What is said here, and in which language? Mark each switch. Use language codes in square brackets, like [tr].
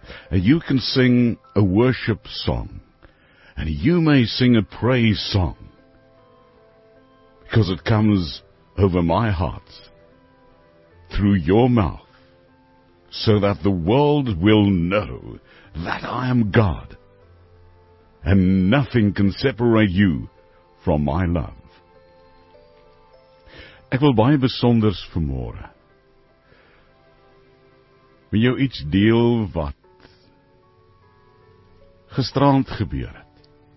[en] And you can sing a worship song, and you may sing a praise song, because it comes over my heart, through your mouth, so that the world will know that I am God. And nothing can separate you from my love. [af] Ek wil baie besonders vanmôre. Wil jou iets deel wat gisteraand gebeur het.